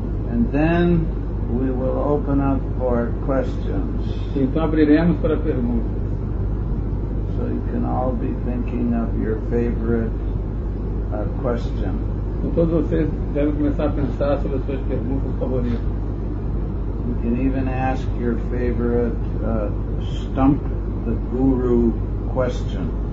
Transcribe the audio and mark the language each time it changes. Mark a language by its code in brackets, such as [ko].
[en] And then we will open up for questions. [pt] Então abriremos para perguntas. [en] So you can all be thinking of your favorite question. [pt] Então todos vocês devem começar a pensar sobre as suas perguntas favoritas. [en] You can even ask your favorite stump the guru question.